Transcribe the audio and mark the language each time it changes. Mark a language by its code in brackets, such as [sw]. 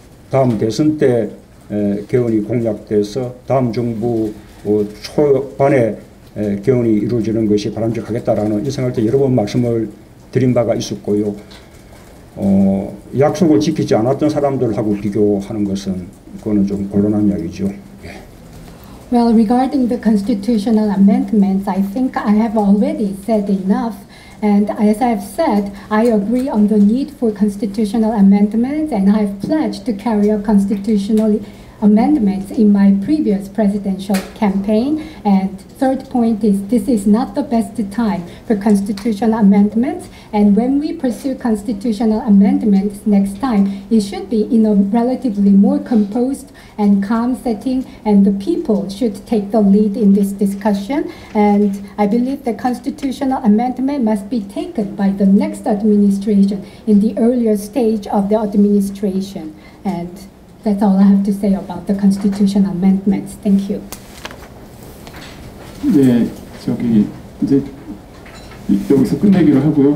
[ko] 다음 대선 때 개헌이 공약돼서 다음 정부 초반에 개헌이 이루어지는 것이 바람직하겠다라는 인상할 때 여러 번 말씀을 드린 바가 있었고요. 약속을 지키지 않았던 사람들하고 비교하는 것은 그거는 좀 곤란한 이야기죠. [en] Well, regarding the constitutional amendments, I think I have already said enough. And as I've said, I agree on the need for constitutional amendments and I've pledged to carry out constitutional amendments in my previous presidential campaign. And third point is this is not the best time for constitutional amendments. And when we pursue constitutional amendments next time, it should be in a relatively more composed and calm setting, and the people should take the lead in this discussion. And I believe the constitutional amendment must be taken by the next administration in the earlier stage of the administration. And that's all I have to say about the constitutional amendments. Thank you. [ko] 네, 저기 이제 여기서 끝내기로 하고요.